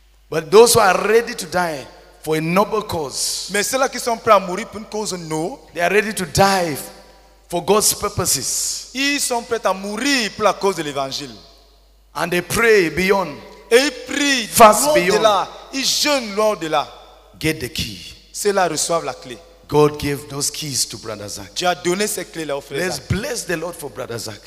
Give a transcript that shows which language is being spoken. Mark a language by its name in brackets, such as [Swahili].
[English] But those who are ready to die for a noble cause. [French] Mais ceux-là qui sont prêts à mourir pour une cause noble, [English] they are ready to die for God's purposes. [French] Ils sont prêts à mourir pour la cause de l'Évangile. [English] And they pray beyond. [French] Et ils prient [English] fast beyond. [French] De là, ils jeûnent loin de là. [English] Get the key. [French] Ceux-là reçoivent la clé. [English] God gave those keys to Brother Zach. [French] Dieu a donné ces clés là au frère. [English] Let's bless the Lord for Brother Zach.